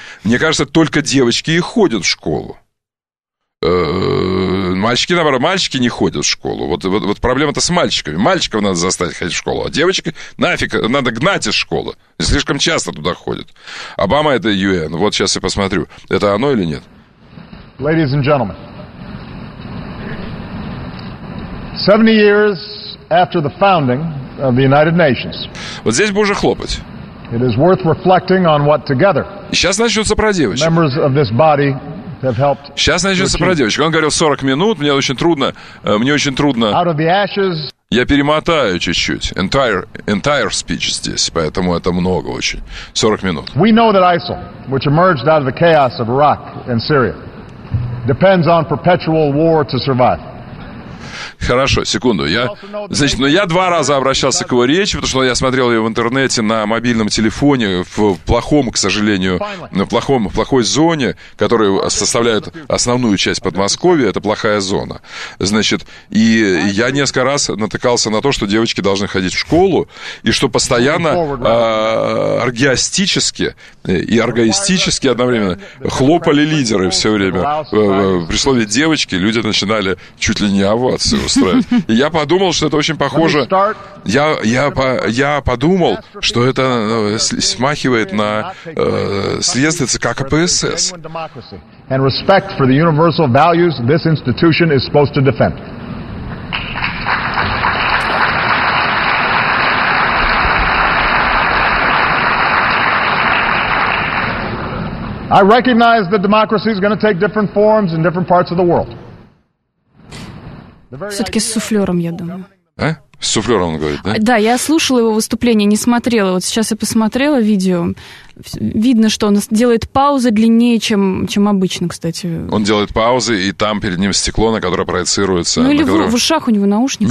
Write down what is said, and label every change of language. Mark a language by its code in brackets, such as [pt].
[ru] Мне кажется, только девочки и ходят в школу. Мальчики, наоборот, мальчики не ходят в школу. Вот проблема-то с мальчиками. Мальчиков надо заставить ходить в школу, а девочек нафиг, надо гнать из школы. Слишком часто туда ходят. Обама это UN. Вот сейчас я посмотрю, это оно или нет. [en] Ladies and gentlemen, 70 years after the founding of the United Nations. [ru] Вот здесь бы уже хлопать. [en] It is worth reflecting on what together. [ru] Сейчас начнется про девочек. [en] Members of this body. [ru] Сейчас начнется про девочек. Он говорил 40 минут, мне очень трудно. Я перемотаю чуть-чуть. [en] Entire speech [ru] здесь, поэтому это много очень. 40 минут. [en] We know that ISIL, which emerged out of the chaos of Iraq and Syria, depends on perpetual war to survive. [ru] Хорошо, секунду. Значит, но я два раза обращался к его речи, потому что я смотрел ее в интернете на мобильном телефоне в плохом, к сожалению, в плохой зоне, которая составляет основную часть Подмосковья. Это плохая зона. Значит, и я несколько раз натыкался на то, что девочки должны ходить в школу, и что постоянно оргиастически и оргоистически одновременно хлопали лидеры все время. При слове «девочки» люди начинали чуть ли не овации устраивать. И я подумал, что это очень похоже... Я подумал, что это смахивает на следствие ЦК КПСС. [en] And respect for the universal values this institution is supposed to defend. I recognize that democracy is going to take different forms in different parts of the world. [ru] Все-таки с суфлером, я думаю. А? С суфлером он говорит, да? Да, я слушала его выступление, не смотрела. Вот сейчас я посмотрела видео. Видно, что он делает паузы длиннее, чем обычно, кстати. Он делает паузы, и там перед ним стекло, на которое проецируется... Ну или которое... в ушах у него наушники.